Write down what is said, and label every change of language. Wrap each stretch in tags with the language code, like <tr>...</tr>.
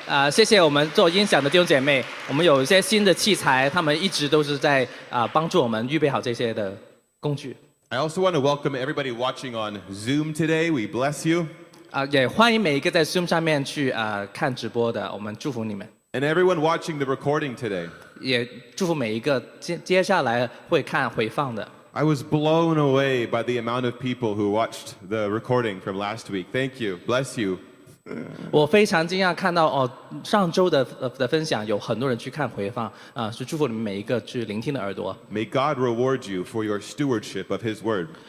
<zh>谢谢我们做音响的弟兄姐妹，我们有一些新的器材，他们一直都是在帮助我们预备好这些的工具。</zh> <en>I also want to welcome everybody watching on Zoom today. We bless you.</en> <zh>也欢迎每一个在Zoom上面去看直播的，我们祝福你们。</zh> <en>And everyone watching the recording today.</en> <zh>也祝福每一个接下来会看回放的。</zh> <en>I was blown away by the amount of people who watched the recording from last week. Thank you. Bless you.</en> <zh>我非常惊讶看到上周的分享，有很多人去看回放，是祝福你们每一个去聆听的耳朵。</zh> <en>May God reward you for your stewardship of His word.</en>